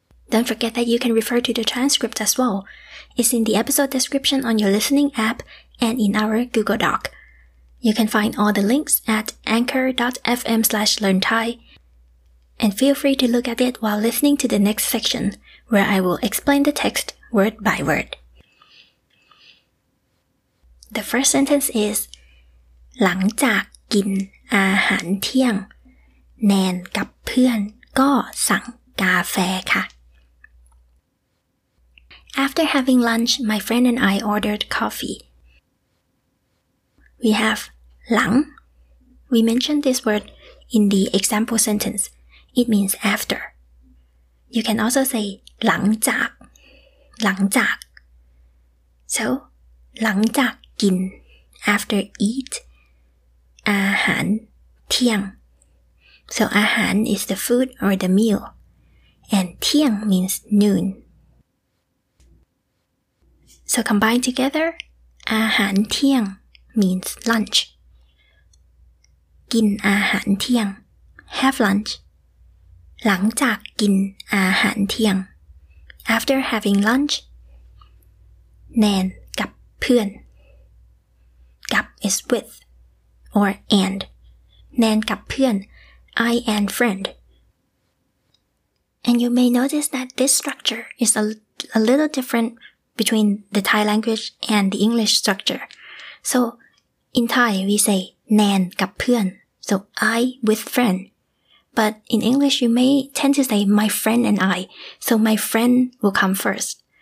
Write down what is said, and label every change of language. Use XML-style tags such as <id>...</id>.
<en>Don't forget that you can refer to the transcript as well. It's in the episode description on your listening app and in our Google Doc. You can find all the links at anchor.fm/learnthai. And feel free to look at it while listening to the next section, where I will explain the text word by word. The first sentence is</en> <th>หลังจากกินอาหารเที่ยงแนนกับเพื่อนก็สั่งกาแฟค่ะ</th> <en>After having lunch, my friend and I ordered coffee. We have หลัง We mentioned this word in the example sentence. It means after. You can also say</en> <th>หลังจากหลังจาก</th> <en>So,</en> <th>หลังจากกิน</th> <en>after eat</en> <th>อาหารเที่ยง</th> <en>So, อาหาร is the food or the meal. And เที่ยง means noon. So combined together,</en> <th>อาหารเที่ยง</th> <en>means lunch.</en> <th>กินอาหารเที่ยง</th> <en>have lunch.</en> <th>หลังจากกินอาหารเที่ยง</th> <en>after having lunch,</en> <th>แนนกับเพื่อน</th> <en>กับ is with or and.</en> <th>แนนกับเพื่อน</th> <en>I and friend. And you may notice that this structure is a little different. Between the Thai language and the English structure. So, in Thai, we say</en> <th>nan gap pheun,</th> <en>so I with friend. But in English, you may tend to say my friend and I, so my friend will come first.</en>